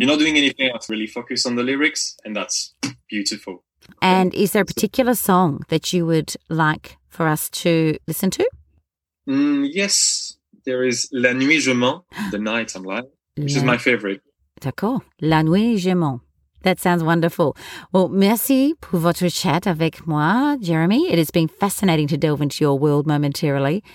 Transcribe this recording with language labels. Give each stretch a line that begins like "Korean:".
English: You're not doing anything else, really focus on the lyrics, and that's beautiful. And is there a particular song that you would like for us to listen to? Yes, there is La Nuit Je Mens, The Night I'm Lying, which is my favourite. D'accord, La Nuit Je Mens. That sounds wonderful.
French: Well, merci pour votre chat avec moi, Jeremy.
English: It has been fascinating to delve into your world momentarily.